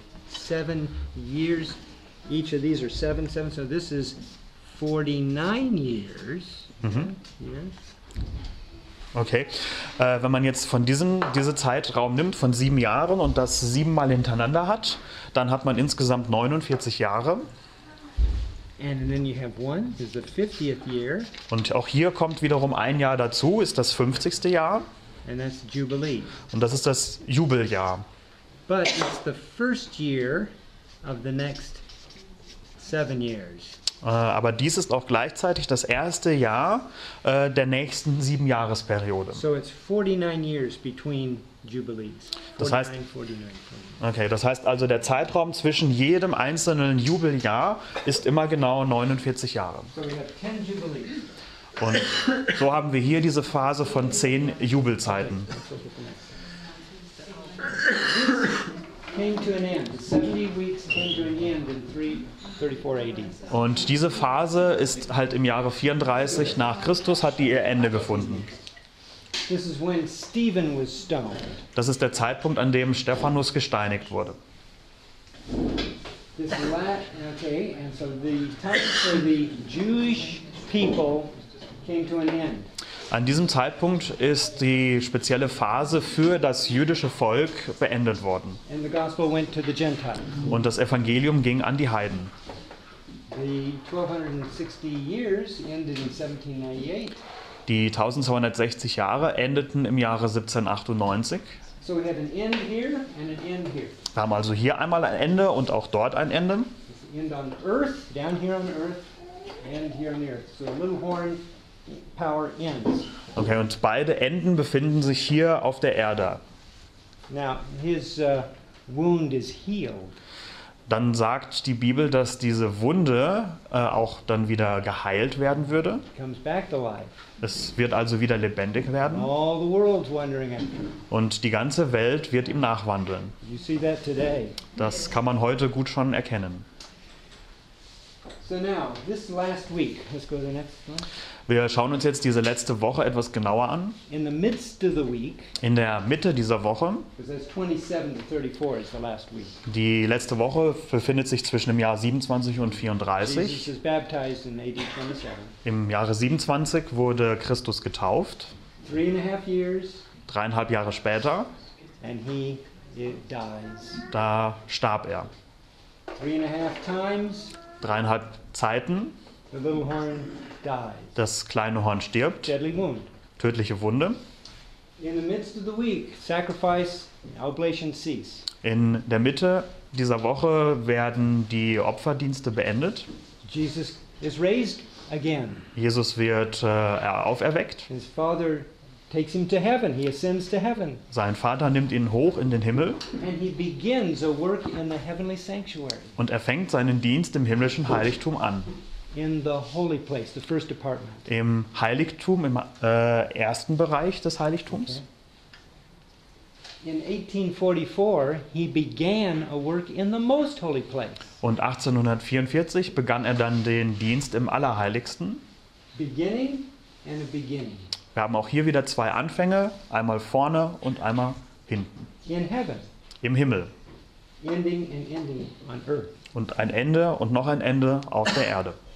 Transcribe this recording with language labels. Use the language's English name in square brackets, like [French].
[English] 7 years. Each of these are 7, so this is 49 years. Mm-hmm. Yeah. [German] Okay, wenn man jetzt von diese Zeitraum nimmt, von 7 Jahren und das 7-mal hintereinander hat, dann hat man insgesamt 49 Jahre. [English] And then you have one, this is the 50th year. [German] Und auch hier kommt wiederum ein Jahr dazu, ist das 50. Jahr. [English] And that's Jubilee. [German] Und das ist das Jubeljahr. [English] But it's the first year of the next 7 years. [German] Aber dies ist auch gleichzeitig das erste Jahr der nächsten 7-Jahres-Periode. [English] So it's 49 years between Jubilees. 49, [German] das heißt, 49. Okay, das heißt also, der Zeitraum zwischen jedem einzelnen Jubeljahr ist immer genau 49 Jahre. [English] So we have 10 Jubilees. [German] Und so haben wir hier diese Phase von 10 Jubelzeiten. [English] Came to an end. 70 weeks came to an end in 34 AD. [German] Und diese Phase ist halt im Jahre 34 nach Christus, hat die ihr Ende gefunden. [English] This is when Stephen was stoned. [German] Das ist der Zeitpunkt, an dem Stephanus gesteinigt wurde. [English] This last, okay, and so the time for the Jewish people came to an end. [German] An diesem Zeitpunkt ist die spezielle Phase für das jüdische Volk beendet worden. [English] And the gospel went to the Gentiles. [German] Und das Evangelium ging an die Heiden. [English] The 1260 years ended in 1798. [German] Die 1260 Jahre endeten im Jahre 1798. [English] So we have an end here and an end here. [German] Wir haben also hier einmal ein Ende und auch dort ein Ende. [English] It's the end on earth, down here on earth, and here on the earth. So a little horn. Power ends. [German] Okay, und beide Enden befinden sich hier auf der Erde. [English] Now, his wound is healed. [German] Dann sagt die Bibel, dass diese Wunde auch dann wieder geheilt werden würde. [English] It comes back to life. [German] Es wird also wieder lebendig werden. [English] All the world's wondering after. [German] Und die ganze Welt wird ihm nachwandeln. [English] You see that today. [German] Das kann man heute gut schon erkennen. [English] So now, this last week, let's go to the next one. [German] Wir schauen uns jetzt diese letzte Woche etwas genauer an. [English] In the midst of the week, [German] in der Mitte dieser Woche, [English] because that's 27 to 34 is the last week. [German] Die letzte Woche befindet sich zwischen dem Jahr 27 und 34. [English] Jesus is baptized in AD 27. [German] Im Jahre 27 wurde Christus getauft. [English] 3.5 years, [German] 3,5 Jahre später. [English] And he dies. [German] Da starb er. [English] 3.5 times. [German] 3,5 Zeiten. [English] The little horn. [German] Das kleine Horn stirbt. [English] Deadly wound. [German] Tödliche Wunde. [English] In the midst of the week, sacrifice, oblation cease. [German] In der Mitte dieser Woche werden die Opferdienste beendet. [English] Jesus is raised again. [German] Jesus wird auferweckt. [English] His father takes him to heaven. He ascends to heaven. [German] Sein Vater nimmt ihn hoch in den Himmel. [English] And he begins a work in the heavenly sanctuary. [German] Und er fängt seinen Dienst im himmlischen Heiligtum an. [English] In the holy place, the first department. [German] Im Heiligtum, im ersten Bereich des Heiligtums. Okay. [English] In 1844 he began a work in the most holy place. [German] Und 1844 begann er dann den Dienst im Allerheiligsten. [English] Beginning and a beginning. [German] Wir haben auch hier wieder zwei Anfänge, einmal vorne und einmal hinten. [English] In heaven. [German] Im Himmel. [English] Ending and ending on earth. [German] Und ein Ende und noch ein Ende auf der Erde.